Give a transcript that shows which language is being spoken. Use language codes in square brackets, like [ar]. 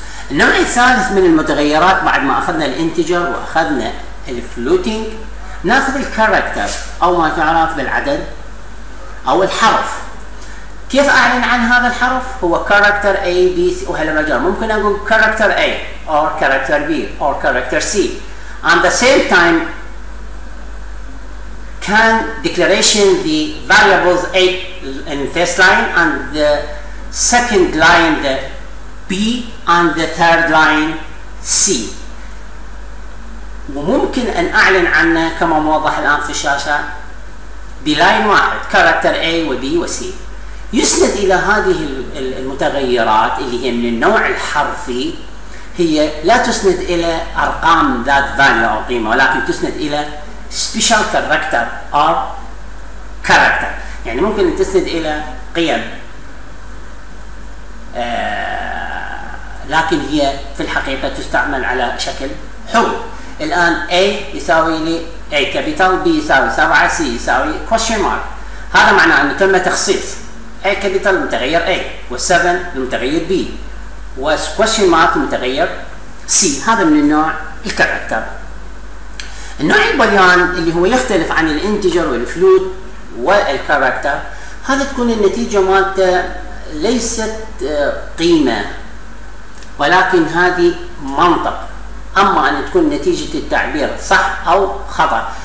[ar] النوع الثالث من المتغيرات بعد ما أخذنا الانتجر وأخذنا الفلوتينج، نأخذ الكاركتر أو ما تعرف بالعدد أو الحرف. كيف أعلن عن هذا الحرف؟ هو كاركتر A B C، وهالمجال ممكن أقول كاركتر A أو كاركتر B أو كاركتر C. [en] On the same time can declaration the variables A in first line and the second line the B and the third line C. [ar] وممكن أن أعلن عنه كما موضح الآن في الشاشة بلاين واحد كاركتر A و B و C. يسند إلى هذه المتغيرات اللي هي من النوع الحرفي، هي لا تسند إلى أرقام ذات value أو قيمة، ولكن تسند إلى [en] special character or character. [ar] يعني ممكن أن تسند إلى قيم لكن هي في الحقيقة تستعمل على شكل حرف. الآن A يساوي لي A capital، B يساوي 7، C يساوي question mark. هذا معناه أنه تم تخصيص A capital المتغير A و7 المتغير B و question mark المتغير C. هذا من النوع الكاركتر. النوع البوليان اللي هو يختلف عن الانتجر والفلوت والكاركتر، هذا تكون النتيجة مالته ليست قيمة ولكن هذه منطق، أما أن تكون نتيجة التعبير صح أو خطأ.